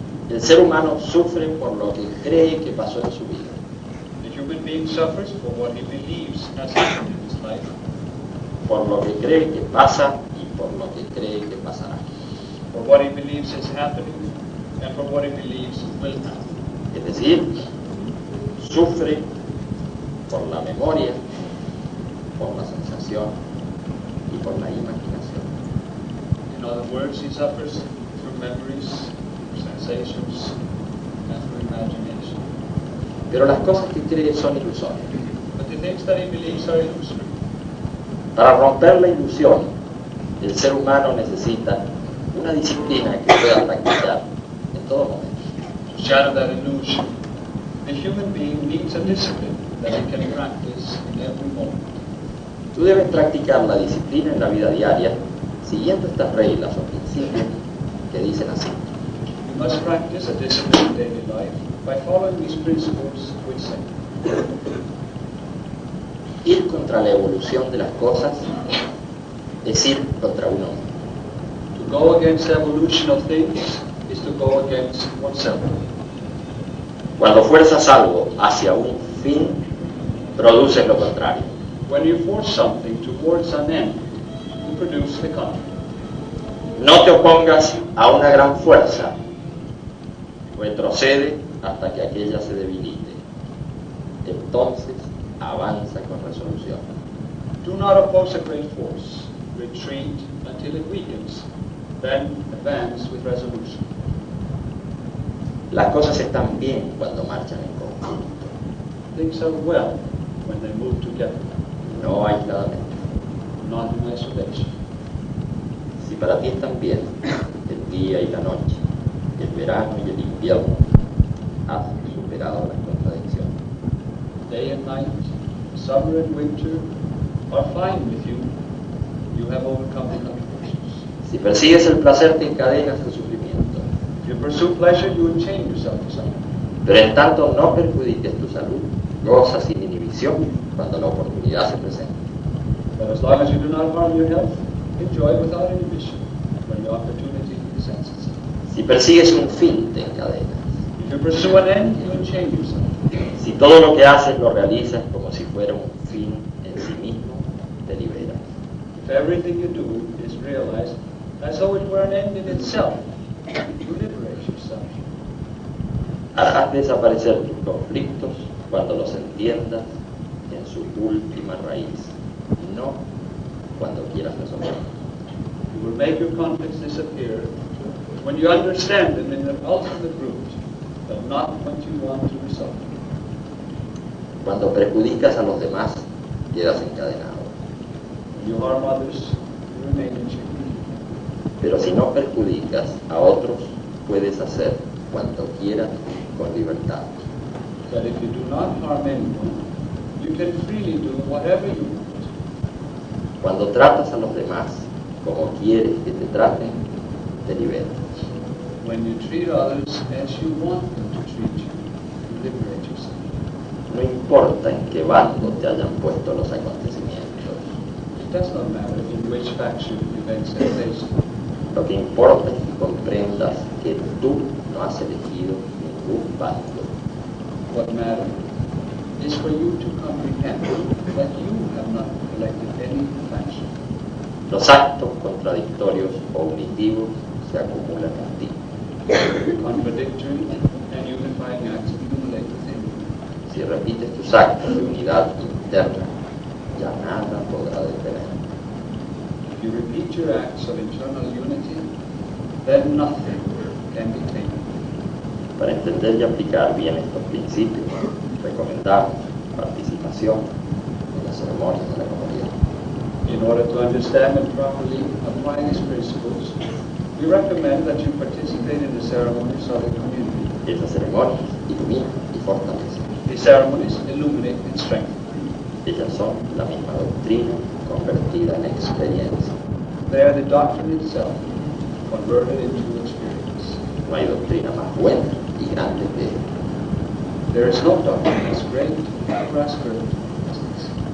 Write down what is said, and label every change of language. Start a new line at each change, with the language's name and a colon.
Spanish: El ser humano sufre por lo que cree que pasó en su vida.
English: The human being suffers for what he believes has happened in his life.
Spanish: Por lo que cree que pasa y por lo que cree que pasará.
English: For what he believes is happening and for what he believes will happen.
Spanish: Es decir, sufre por la memoria, por la sensación y por la imaginación.
English: In other words, he suffers through memories, through sensations, and through imagination.
Spanish: pero las cosas que creen son ilusorias.
English: But the things that he believes are illusory.
Spanish: Para romper la ilusión, el ser humano necesita una disciplina que pueda practicar en todo momento.
English: To shatter that illusion, the human being needs a discipline that he can practice in every moment.
Spanish: Tú debes practicar la disciplina en la vida diaria siguiendo estas reglas o principios que dicen así.
English: You must practice a discipline in daily life by following these principles which say.
Spanish: Ir contra la evolución de las cosas es ir contra uno mismo.
English: To go against the evolution of things is to go against oneself.
Spanish: Cuando fuerzas algo hacia un fin, produces lo contrario.
English: When you force something towards an end, you produce the contrary.
Spanish: No te opongas a una gran fuerza. Retrocede hasta que aquella se debilite. Entonces, avanza con resolución.
English: Do not oppose a great force. Retreat until it weakens. Then advance with resolution.
Spanish: Las cosas están bien cuando marchan en conjunto.
English: Things are well when they move together.
Spanish: No aisladamente.
English: Not in isolation.
Spanish: Si para ti están bien el día y la noche, el verano y el invierno, has superado las contradicciones.
English: Day and night, summer and winter are fine with you. You have overcome the contradictions.
Spanish: Si persigues el placer, te encadenas al sufrimiento.
English: If you pursue pleasure, you will chain yourself to suffering.
Spanish: Pero en tanto no perjudiques tu salud, goza sin inhibición cuando la oportunidad se presenta.
English: But as long as you do not harm your health, enjoy without inhibition when the opportunity presents itself.
Spanish: Si persigues un fin, te encadenas.
English: If you pursue an end, you will chain yourself.
Spanish: Si todo lo que haces lo realizas como si fuera un fin en sí mismo, te liberas.
English: If everything you do is realized as though it were an end in itself, you liberate yourself.
Spanish: Harás desaparecer tus conflictos cuando los entiendas en su última raíz, no cuando quieras resolverlos.
English: You will make your conflicts disappear when you understand them in their ultimate root, but not when you want to resolve them.
Spanish: Cuando perjudicas a los demás, quedas encadenado.
English: You harm others, you remain in chains.
Spanish: Pero si no perjudicas a otros, puedes hacer cuanto quieras con libertad.
English: But if you do not harm anyone, you can freely do whatever you want.
Spanish: Cuando tratas a los demás como quieres que te traten, te liberas.
English: When you treat others as you want them to treat you, you liberate yourself.
Spanish: No importa en qué bando te hayan puesto los acontecimientos.
English: It does not matter in which faction events are placed.
Spanish: Lo que importa es que comprendas que tú no has elegido ningún bando.
English: What matters is for you to comprehend that you have not elected any faction.
Spanish: Los actos contradictorios o unitivos se acumulan en ti.
English: Contradictory and unifying acts accumulate within you.
Spanish: Si repites tus actos de unidad interna, ya nada podrá detenerte.
English: If you repeat your acts of internal unity, then nothing can detain you.
Spanish: Para entender y aplicar bien estos principios, recomendamos participación en las ceremonias de la comunidad.
English: In order to understand and properly apply these principles, we recommend that you participate in the ceremonies of the community.
Spanish: Estas ceremonias iluminan y fortalecen.
English: These ceremonies illuminate and strengthen.
Spanish: Ellas son la misma doctrina convertida en experiencia.
English: They are the doctrine itself converted into experience.
Spanish: No hay doctrina más buena y grande que esta.
English: There is no doctrine as great or as good as this.